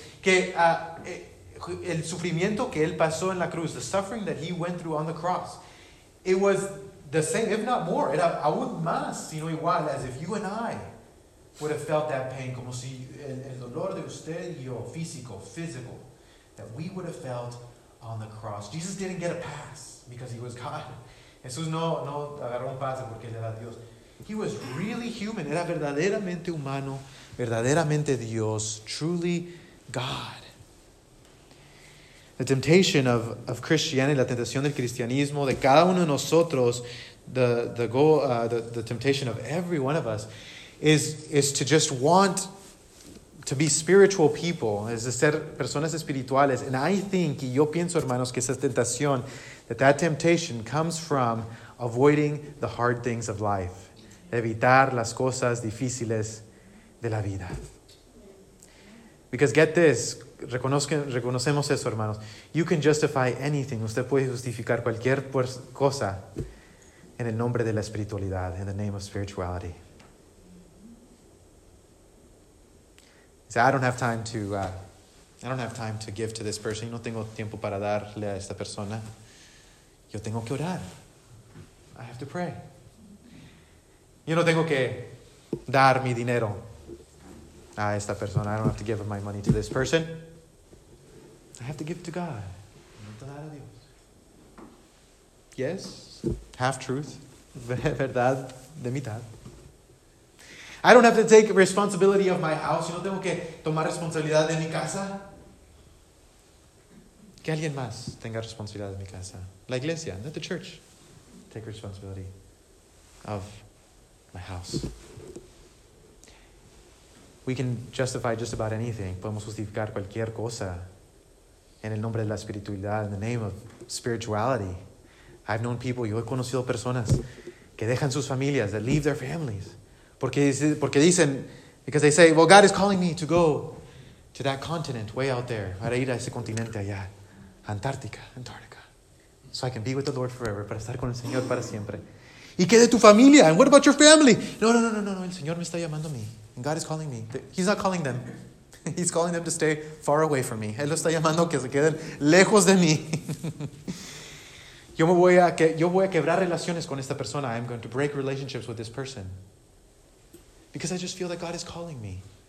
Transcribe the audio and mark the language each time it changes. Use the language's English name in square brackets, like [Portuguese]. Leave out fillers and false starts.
[Spanish] Que el sufrimiento que él pasó en la cruz, [English] the suffering that he went through on the cross, it was the same, if not more. [Spanish] Era aún más, sino igual, [English] as if you and I would have felt that pain. [Spanish] Como si el dolor de usted y yo, [English] physical, that we would have felt on the cross. Jesus didn't get a pass because he was God. [Spanish] Jesús no agarró un pase porque él era Dios. [English] He was really human. [Spanish] Era verdaderamente humano, verdaderamente Dios, [English] truly God. The temptation of Christianity, [Spanish] la tentación del cristianismo, de cada uno de nosotros, [English] the temptation of every one of us, is to just want to be spiritual people, [Spanish] es ser personas espirituales. [English] And I think, [Spanish] y yo pienso, hermanos, que esa tentación, [English] that temptation comes from avoiding the hard things of life, [Spanish] evitar las cosas difíciles de la vida. [English] Because get this, [Spanish] reconocemos eso, hermanos. [English] You can justify anything. [Spanish] Usted puede justificar cualquier cosa en el nombre de la espiritualidad, [English] in the name of spirituality. See, I don't have time to give to this person. [Spanish] Yo no tengo tiempo para darle a esta persona. Yo tengo que orar. [English] I have to pray. [Spanish] Yo no tengo que dar mi dinero a esta persona. [English] I don't have to give my money to this person. I have to give to God. Yes, half truth. [Spanish] Verdad de mitad. [English] I don't have to take responsibility of my house. [Spanish] Yo no tengo que tomar responsabilidad de mi casa. Que alguien más tenga responsabilidad de mi casa. La iglesia, [English] not the church. Take responsibility of my house. We can justify just about anything. [Spanish] Podemos justificar cualquier cosa. En el nombre de la espiritualidad, [English] in the name of spirituality. I've known people, [Spanish] yo he conocido personas que dejan sus familias, [English] that leave their families. [Spanish] Porque dicen, [English] because they say, well, God is calling me to go to that continent way out there. [Spanish] Para ir a ese continente allá. Antártica. [English] So I can be with the Lord forever. [Spanish] Para estar con el Señor para siempre. ¿Y qué de tu familia? [English] And what about your family? [Spanish] No. El Señor me está llamando a mí. [English] And God is calling me. He's not calling them. He's calling them to stay far away from me. [Spanish] Él lo está llamando que se queden lejos de mí. Yo voy a quebrar relaciones con esta persona. [English] I'm going to break relationships with this person. Because I just feel that God is calling me.